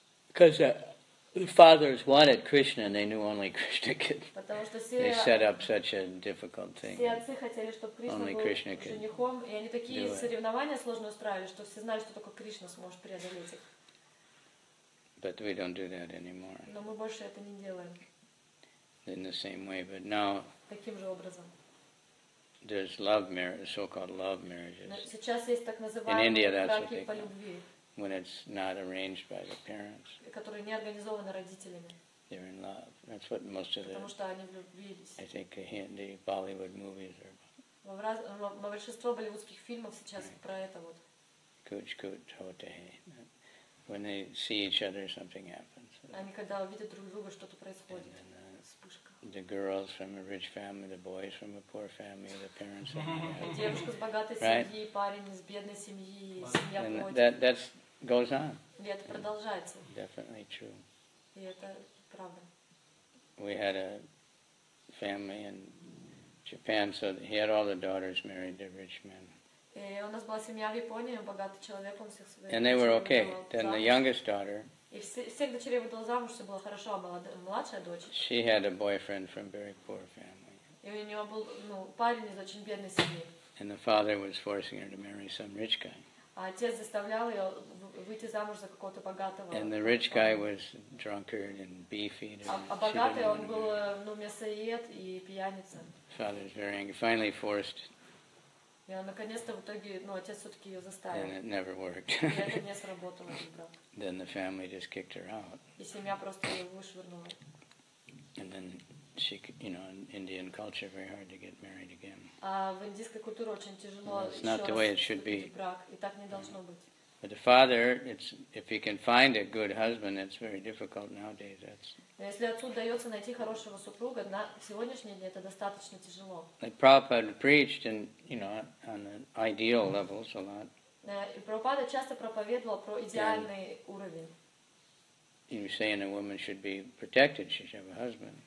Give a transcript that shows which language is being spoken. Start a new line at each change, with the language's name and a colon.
English: Because the fathers wanted Krishna, and they knew only Krishna could.
Russian: Потому что все.
English: They set up such a difficult thing.
Russian: Все отцы хотели, чтобы Кришна был женихом, и они такие соревнования сложные устраивали, что все знали, что только Кришна сможет преодолеть их.
English: But we don't do that anymore.
Russian: Но мы больше это не делаем.
English: In the same way, but now.
Russian: Таким же образом.
English: There's love marriage, so-called love marriages.
Russian: Сейчас есть так называемые браки по любви.
English: When it's not arranged by the parents.
Russian: Которые не организованы родителями.
English: They're in love. That's what most of the.
Russian: Потому что они влюбились.
English: I think Hindi, Bollywood movies are.
Russian: Во большинство болливудских фильмов сейчас про это вот.
English: Kuch kuch hote hai. When they see each other, something happens.
Russian: Они когда видят друг друга, что-то происходит.
English: The girls from a rich family, the boys from a poor family, the parents.
Russian: Девушка с богатой семьи, парень из бедной семьи, семья против.
English: And that goes on.
Russian: И это продолжается.
English: Definitely true.
Russian: И это правда.
English: We had a family in Japan, so he had all the daughters married to rich men.
Russian: И у нас была семья в Японии, богатый человек, он всех своих.
English: And they were okay. Then the youngest daughter.
Russian: И всех дочерей выдала замуж, все было хорошо, а была младшая дочь.
English: She had a boyfriend from very poor family.
Russian: И у нее был парень из очень бедной семьи.
English: And the father was forcing her to marry some rich guy.
Russian: А отец заставлял ее выйти замуж за какого-то богатого.
English: And the rich guy was drunkard and beef eater.
Russian: А богатый он был мясоед и пьяница.
English: Father was very angry. Finally forced.
Russian: И он наконец-то в итоге, отец все-таки ее заставил.
English: And it never worked.
Russian: И это не сработало.
English: Then the family just kicked her out.
Russian: И семья просто ее вышвырнула.
English: And then she, in Indian culture, very hard to get married again.
Russian: А в индийской культуре очень тяжело.
English: It's not the way it should be.
Russian: Брак и так не должно быть.
English: But the father, if he can find a good husband, it's very difficult nowadays. That's.
Russian: Если отцу удается найти хорошего супруга, на сегодняшний день это достаточно тяжело.
English: Like Prabhupada preached, and on an ideal levels a lot.
Russian: Прабхупада часто проповедовал про идеальный уровень.
English: You're saying a woman should be protected, she should have a husband.